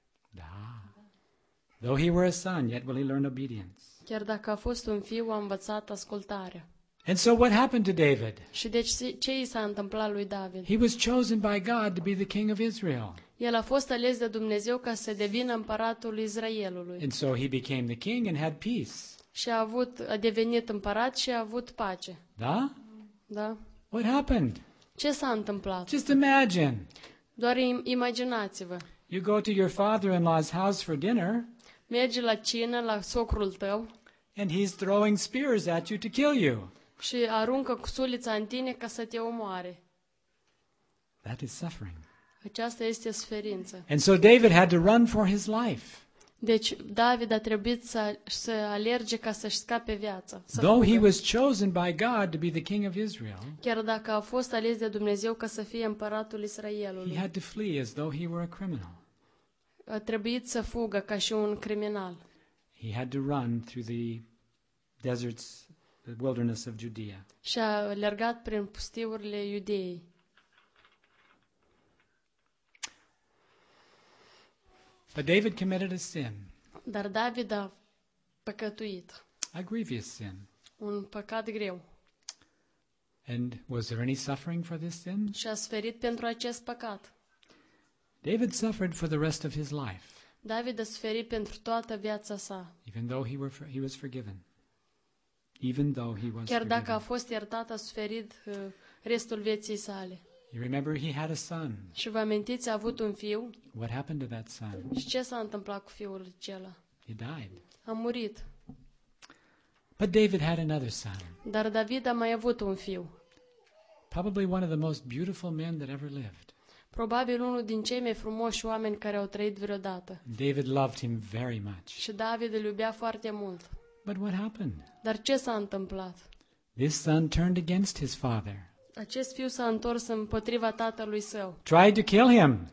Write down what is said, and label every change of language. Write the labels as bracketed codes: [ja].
[en] Da. Though he were a son, yet will he learn obedience. [ro] Chiar dacă a fost un fiu, a învățat ascultarea. [en] And so what happened to David? [ro] Și deci ce i s-a întâmplat lui David? [en] He was chosen by God to be the king of Israel. [ro] El a fost ales de Dumnezeu ca să devină împăratul Israelului. [en] And so he became the king and had peace. [ro] Și a devenit împărat și a avut pace. Da? Da. [en] What happened? [ro] Ce s-a întâmplat? [en] Just imagine. [ro] Doar imaginați-vă. [en] You go to your father-in-law's house for dinner. [ro] Mergi la cină la socrul tău. [en] And he's throwing spears at you to kill you. [ro] Și aruncă cusulița în tine ca să te omoare. [en] That is suffering. [ro] Aceasta este suferință. [en] And so David had to run for his life. [ro] Deci David a trebuit să alerge ca să-și scape viața. [en] Though he was chosen by God to be the king of Israel. [ro] Chiar dacă a fost ales de Dumnezeu ca să fie împăratul Israelului. [en] He had to flee as though he were a criminal. [ro] A trebuit să fugă ca și un criminal. [en] He had to run through the deserts, the wilderness of Judea. [ro] Și a alergat prin pustiurile Iudeei. [en] But David committed a sin. [ro] Dar David a păcătuit. [en] A grievous sin. [ro] Un păcat greu. [en] And was there any suffering for this sin? [ro] Și a suferit pentru acest păcat. [en] David suffered for the rest of his life. [ro] David a suferit pentru toată viața sa. [en] Even though he was forgiven. Even though he was [ro] chiar [en] forgiven. [ro] Dacă a fost iertat, a suferit restul vieții sale. [en] You remember he had a son. [ro] Și vă amintiți, a avut un fiu? [en] What happened to that son? [ro] Și ce s-a întâmplat cu fiul acela? [en] He died. [ro] A murit. [en] But David had another son. [ro] Dar David a mai avut un fiu. [en] Probably one of the most beautiful men that ever lived. [ro] Probabil unul din cei mai frumoși oameni care au trăit vreodată. [en] David loved him very much. [ro] Și David îl iubea foarte mult. [en] But what happened? [ro] Dar ce s-a întâmplat? [en] This son turned against his father. [ro] Acest fiu s-a întors împotriva tatălui său. [en] Tried to kill him.